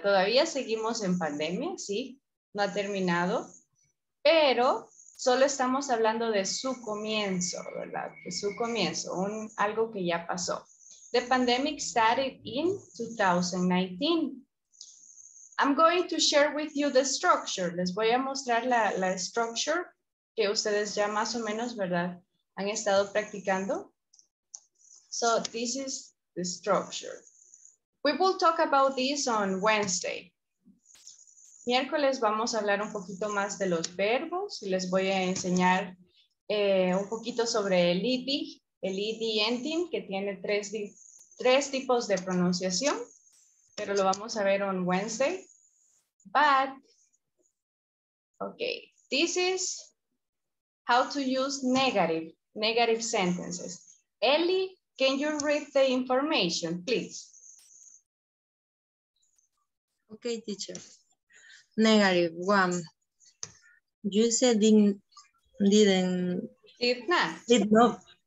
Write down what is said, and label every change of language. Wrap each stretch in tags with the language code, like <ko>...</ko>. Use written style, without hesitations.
<es>Todavía seguimos en pandemia, sí, no ha terminado, pero solo estamos hablando de su comienzo, ¿verdad? De su comienzo, un, algo que ya pasó.</es> <en>The pandemic started in 2019. I'm going to share with you the structure.</en> <es>Les voy a mostrar la, la structure que ustedes ya más o menos, ¿verdad? Han estado practicando.</es> <en>So this is the structure. We will talk about this on Wednesday.</en> <es>Miércoles vamos a hablar un poquito más de los verbos y les voy a enseñar un poquito sobre el ed ending, que tiene tres tipos de pronunciación, pero lo vamos a ver</es> <en>on Wednesday. But, okay, this is how to use negative sentences. Ellie, can you read the information, please? Okay, teacher. Negative one. You said did not.</en>